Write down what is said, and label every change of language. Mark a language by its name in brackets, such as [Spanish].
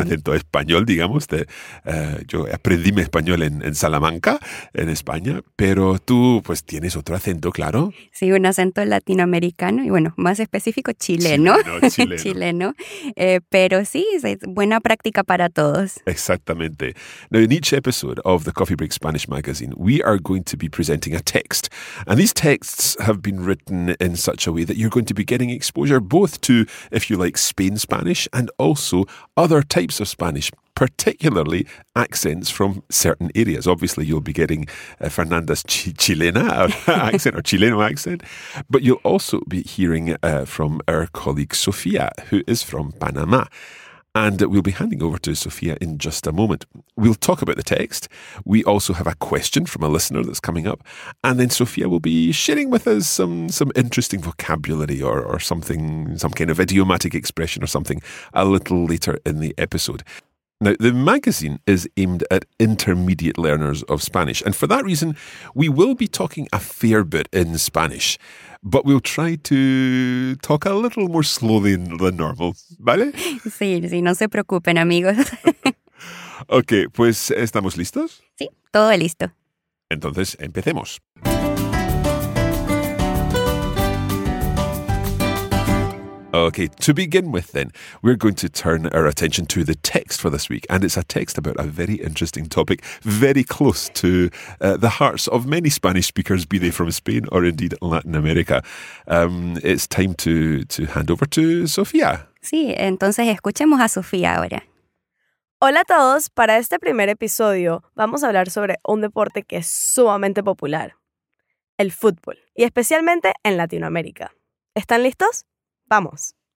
[Spanish] Acento español, digamos. Yo aprendí mi español en Salamanca, en España, pero tú pues tienes otro acento, claro. Sí, un acento latinoamericano y bueno, más específico chileno. Chileno. Chileno. Pero sí, es buena práctica para todos. Exactamente. [English] Now, in each episode of the Coffee Break Spanish Magazine, we are going to be presenting a text. And these texts have been written in such a way that you're going to be getting exposure both to, if you like, Spain Spanish and also other types of Spanish, particularly accents from certain areas. Obviously, you'll be getting Fernanda's Chilena accent or Chileno accent, but you'll also be hearing from our colleague Sofia, who is from Panama. And we'll be handing over to Sophia in just a moment. We'll talk about the text. We also have a question from a listener that's coming up. And then Sophia will be sharing with us some interesting vocabulary or something, some kind of idiomatic expression or something a little later in the episode. Now, the magazine is aimed at intermediate learners of Spanish. And for that reason, we will be talking a fair bit in Spanish. But we'll try to talk a little more slowly than normal, [Spanish] ¿vale? Sí, sí, no se preocupen, amigos. Okay, pues, ¿estamos listos? Sí, todo listo. Entonces, empecemos. [English] Okay, to begin with then, we're going to turn our attention to the text for this week. And it's a text about a very interesting topic, very close to the hearts of many Spanish speakers, be they from Spain or indeed Latin America. It's time to hand over to Sofía. [Spanish] Sí, entonces escuchemos a Sofía ahora. Hola a todos. Para este primer episodio, vamos a hablar sobre un deporte que es sumamente popular, el fútbol, y especialmente en Latinoamérica. ¿Están listos? Vamos.